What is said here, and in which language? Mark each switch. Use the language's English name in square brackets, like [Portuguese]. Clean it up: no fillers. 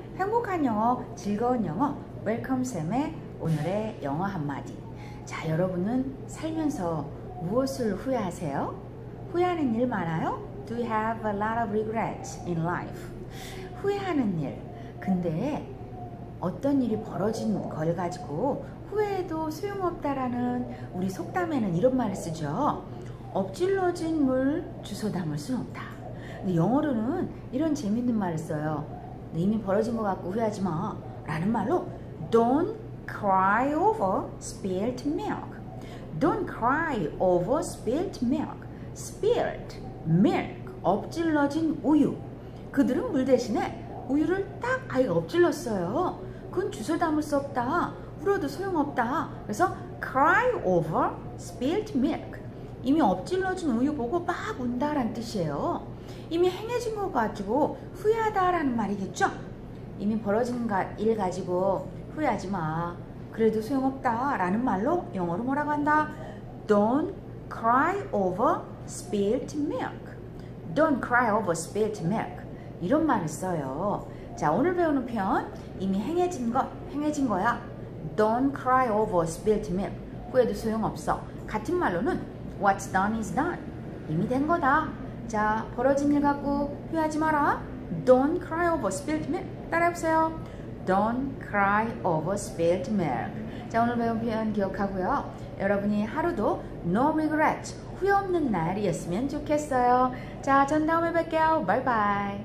[Korean] 행복한 영어, 즐거운 영어. Welcome 쌤의 오늘의 영어 한마디. 자, 여러분은 살면서 무엇을 후회하세요? 후회하는 일 많아요? [English] Do you have a lot of regrets in life? [Korean] 후회하는 일. 근데 어떤 일이 벌어진 걸 가지고 후회해도 소용없다라는 우리 속담에는 이런 말을 쓰죠. 엎질러진 물 주워 담을 수 없다. 근데 영어로는 이런 재밌는 말을 써요. 이미 벌어진 것 같고 후회하지 마 라는 말로 [English] Don't cry over spilled milk. Don't cry over spilled milk. Spilled milk. [Korean] 엎질러진 우유. 그들은 물 대신에 우유를 딱 아예 엎질렀어요. 그건 주워 담을 수 없다. 울어도 소용없다. 그래서 [English] cry over spilled milk. [Korean] 이미 엎질러진 우유 보고 막 운다라는 뜻이에요. 이미 행해진 것 가지고 후회하다라는 말이겠죠? 이미 벌어진 일 가지고 후회하지 마. 그래도 소용없다. 라는 말로 영어로 뭐라고 한다? [English] Don't cry over spilled milk. Don't cry over spilled milk. [Korean] 이런 말을 써요. 자, 오늘 배우는 표현. 이미 행해진 것. 행해진 거야. [English] Don't cry over spilled milk. [Korean] 후회도 소용없어. 같은 말로는 [English] What's done is done. [Korean] 이미 된 거다. 자, 벌어진 일 갖고 후회하지 마라. [English] Don't cry over spilled milk. [Korean] 따라해보세요. [English] Don't cry over spilled milk. [Korean] 자, 오늘 배운 표현 기억하고요. 여러분이 하루도 [English] no regrets, [Korean] 후회 없는 날이었으면 좋겠어요. 자, 전 다음에 뵐게요. [English] Bye bye.